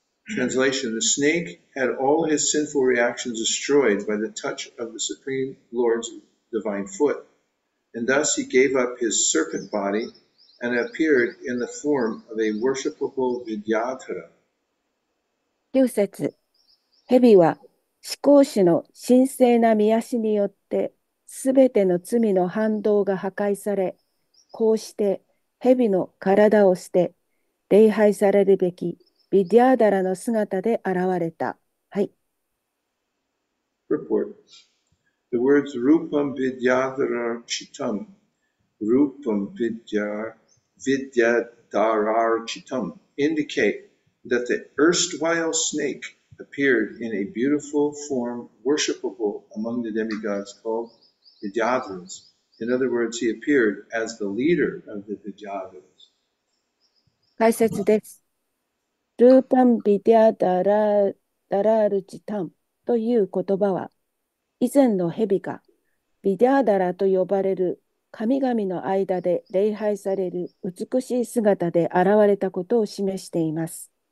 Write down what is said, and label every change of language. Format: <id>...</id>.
<en>Translation, the snake had all his sinful reactions destroyed by the touch of the Supreme Lord's divine foot, and thus he gave up his serpent body and appeared in the form of a worshipable Vidyadhara.</en> <ja>九節、蛇は至高主の神聖な御足によって、すべての罪の反動が破壊され、こうして蛇の体を捨て、礼拝されるべき、ビディアダラの姿で現れた。はい。</ja> <en>Report. The words Rupam Vidyadhara Chitam rupam vidya dararchitam indicate that the erstwhile snake appeared in a beautiful form worshipable among the demigods called Vidyadharas. In other words, he appeared as the leader of the Vidyadharas.</en> <ja>解説です。ルーパンビディアダラダラルチタンという言葉は、以前の蛇がビディアダラと呼ばれる神々の間で礼拝される美しい姿で現れたことを示しています。</ja>